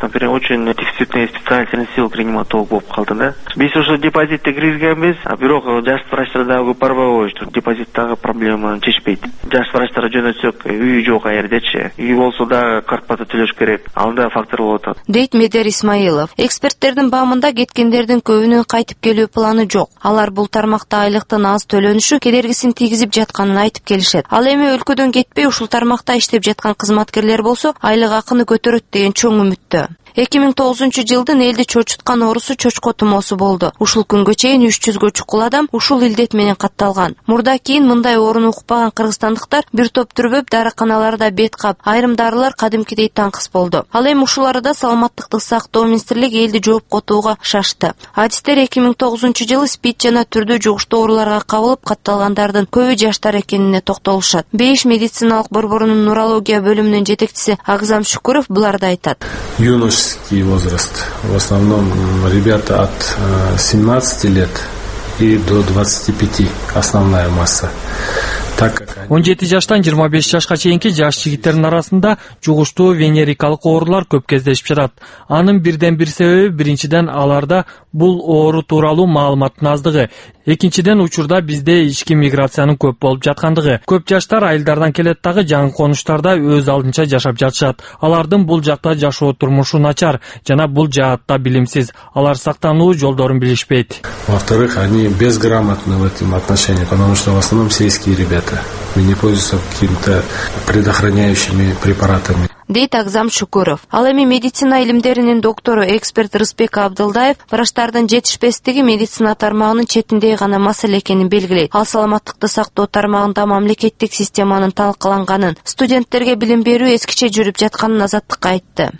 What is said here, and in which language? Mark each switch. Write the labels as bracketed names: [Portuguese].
[Russian] Например, очень дефицитный специалист силк реаниматолог [Kyrgyz] болуп калды да. Биз ошо депозитте киргизгенбиз, а бирок жаш врачтар дагы көп барбай коюшт. Депозит дагы проблеманы чечпейт. Жаш врачтар жөнөтсөк үйү жок айердечи. Үй болсо дагы квартплата төлөш керек. Ал да фактор болуп атат. Дейт Медер Исмаилов. Эксперттердин баамында кеткендердин көбүнүн кайтып келүү планы жок. Алар бул тармакта айлыктын аз төлөнүшү кедергисин тийгизип жатканын айтып келишет. Ал эми өлкөдөн кетпей ушул тармакта иштеп жаткан кызматкерлер болсо айлык акыны көтөрөт деген чоң үмүттө. 2009 жылдын элди чочуткан оорусу чочко тумоосу болду. Ушул күнгө чейин 300 чукул адам ушул илдет менен катталган. Мурда кийин мындай ооруну укпаган кыргызстандыктар бир топ түрбөп дарыканаларда бет кап, айрым дарылар кадимкидей таңкыс болду. Ал эми ушул арада саламаттыкты сактоо министрлиги элди жооп котууга шашты. Адистер 2009 жылы спид жана түрдүү жугуштуу ооруларга кабылып катталгандардын көбү жаштар экенине токтолушат. Бейиш медициналык борборунун нурология бөлүмүнүн жетекчиси Агзам Шүкүров буларды айтат. [Russian] Юношеский возраст. В основном ребята от 17 лет и до 25 основная масса. [Kyrgyz] 17 жаштан 25 жашка чейинки жаш жигиттердин арасында жугуштуу венерикалык оорулар көп кездешип жатат. Анын бирден бир себеби биринчиден аларда бул оору тууралуу маалыматтын аздыгы. Экинчиден учурда бизде ички миграциянын көп болуп жаткандыгы. Көп жаштар айылдардан келет дагы жаңы конуштарда өз алдынча жашап жатышат. Алардын бул жакта жашоо турмушу начар жана бул жаатта билимсиз. Алар сактануу жолдорун билишпейт. [Russian] Во-вторых, они безграмотны в этом отношении, потому что в основном сельские ребята. Мы не пользуемся какими-то предохраняющими препаратами. [Kyrgyz] Дейт Агзам Шүкүров. Ал эми медицина илимдеринин доктору эксперт Рысбек Абдылдаев врачтардын жетишпестиги медицина тармагынын четиндеги гана маселе экенин белгилейт. Ал саламаттыкты сактоо тармагында мамлекеттик системанын талкаланганын, студенттерге билим берүү эскиче жүрүп жатканын азаттыкка айтты.